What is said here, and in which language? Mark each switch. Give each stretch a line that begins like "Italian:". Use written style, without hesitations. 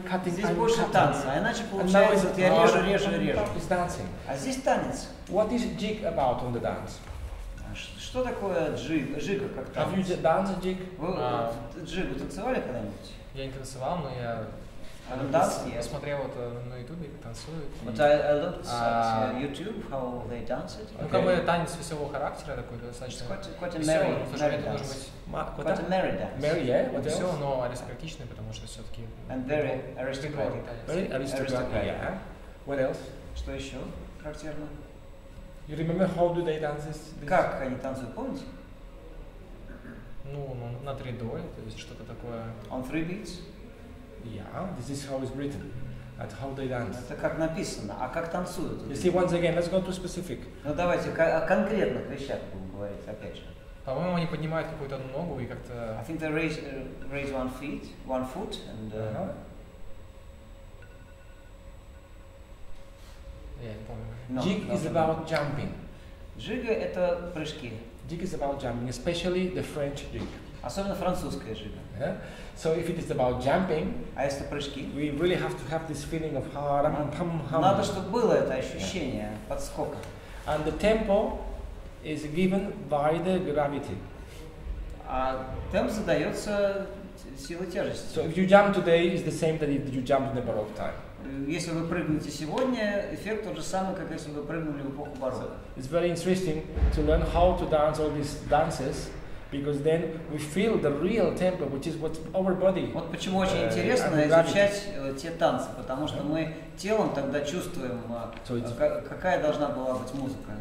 Russian: Здесь больше танца, а иначе получается, я режу.
English: It's dancing.
Russian: А здесь танец.
English: What is jig about on the dance?
Russian: Что такое джига как танец?
English: Have you danced jig?
Russian: Вы джигу танцевали когда-нибудь? Я не танцевал, но я смотрел вот на ютубе, как танцуют.
English: But I looked at YouTube, how they dance it.
Russian: Ну, как бы танец веселого характера такой, достаточно.
English: Quite a merry dance. Quite a merry dance. Merry, yeah? What else?
Russian: Но аристократичный, потому что все-таки...
English: And very aristocratic dance. Very aristocratic, yeah. What else?
Russian: Что еще характерно?
English: You remember how do they dance this?
Russian: Как они танцуют, помните? Ну, на три доли, то есть что-то такое...
English: On three beats? Yeah, this is how it's written, and how they dance.
Russian: Это как написано, а как танцуют?
English: You see, once again, let's go to specific.
Russian: Ну давайте о конкретных вещах будем говорить, опять же. По-моему, они поднимают какую-то одну ногу и как-то...
English: I think they raise one foot, and... Yeah, I don't know. Jig is about jumping.
Russian: Jig – это прыжки.
English: Jig is about jumping, especially the French jig.
Russian: Особенно французская жига.
English: Yeah? So if it is about jumping,
Russian: а если прыжки,
English: we really have to have this feeling of ha-ram-pam-ham.
Russian: Надо, чтобы было это ощущение,
English: yeah.
Russian: Подскока.
English: And the tempo is given by the gravity.
Russian: А темп задается силой тяжести.
English: So if you jump today, it's the same that if you jump in the Baroque time.
Russian: Если вы прыгнете сегодня, эффект тот же самый, как если вы прыгнули в эпоху Барокко.
English: So it's very interesting to learn how to dance all these dances. Because then we feel the real tempo, which is what our body.
Russian: Вот почему очень интересно изучать те танцы, потому что мы телом тогда чувствуем, какая должна была быть музыка.